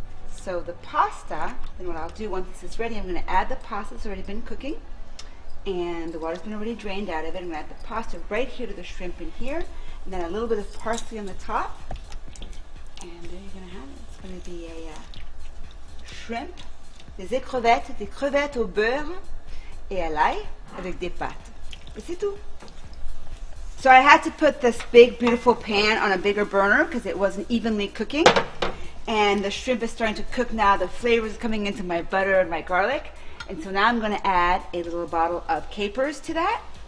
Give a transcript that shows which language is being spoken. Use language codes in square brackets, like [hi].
[en] So the pasta, then what I'll do once this is ready, I'm gonna add the pasta that's already been cooking and the water's been already drained out of it. I'm gonna add the pasta right here to the shrimp in here and then a little bit of parsley on the top. And there you're gonna have it. It's gonna be a shrimp, [fr] des écrevettes, au beurre et à l'ail avec des pâtes. Et c'est tout. [en] So I had to put this big, beautiful pan on a bigger burner because it wasn't evenly cooking. And the shrimp is starting to cook now. The flavor is coming into my butter and my garlic. And so now I'm gonna add a little bottle of capers to that.